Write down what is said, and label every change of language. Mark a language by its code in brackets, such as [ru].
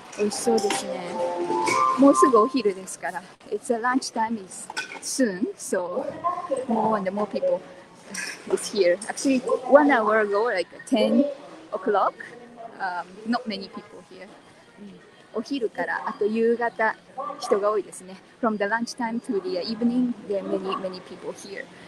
[en] So this is more so go here this kara. It's a lunch time is soon, so more and more people is here. Actually 1 hour ago, like 10 o'clock, not many people here. [ja] お昼からあと夕方人が多いですね。 [en] From the lunch time to the evening, there are many, many people here.